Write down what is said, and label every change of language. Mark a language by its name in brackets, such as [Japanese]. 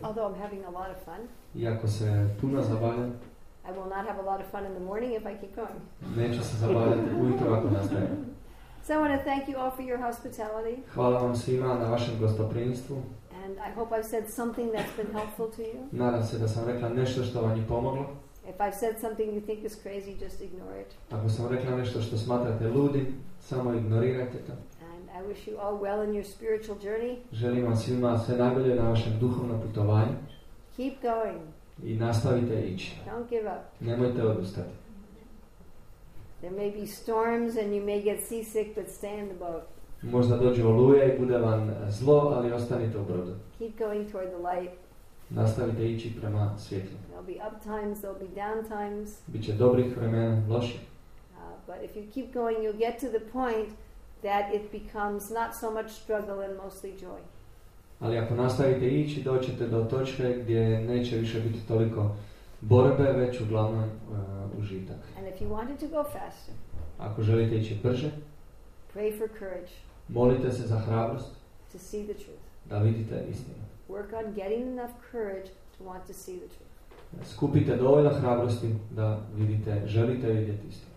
[English] Although I'm having a lot of fun. [Croatian] Iako se puno zabavljam. [English] I will not have a lot of fun in the morning if I keep going. [Croatian] Neću se zabavljati ujutro ako nastavim. [English] So I want to thank you all for your hospitality. [Croatian] Hvala vam svima na vašem gostoprimstvu. [English] And I hope I've said something that's been helpful to you. [Croatian] Nadam se da sam rekla nešto što vam je pomoglo. [English] If I've said something you think is crazy, just ignore it. [Croatian] Ako sam rekla nešto što smatrate ludim, samo ignorirajte to. [English] And I wish you all well in your spiritual journey. [Croatian] Želim vam svima sve najbolje na vašem duhovnom putovanju. [English] Keep going. [Croatian] I nastavite ići. [English] Don't give up. [Croatian] Nemojte odustati. [English] There may be storms and you may get seasick, but stay in the boat. [Croatian] Možda dođe oluja i bude vam zlo, ali ostanite u brodu. [English] Keep going toward the light. [Croatian] Nastavite ići prema svjetlu. [English] There'll be up times, there'll be down times. [Croatian] Biće dobrih vremena, loših. [English] But if you keep going, you'll get to the point that it becomes not so much struggle and mostly joy. [Croatian] Ali ako nastavite ići, doćete do točke gdje neće više biti toliko borbe, već uglavnom užitak. [English] And if you wanted to go faster, [Croatian] ako želite ići brže, [English] pray for courage, [Croatian] molite se za hrabrost, [English] to see the truth, [Croatian] da vidite istinu. [English] Work on getting enough courage to want to see the truth. [Croatian] Skupite dovoljno hrabrosti da vidite, želite vidjeti istinu.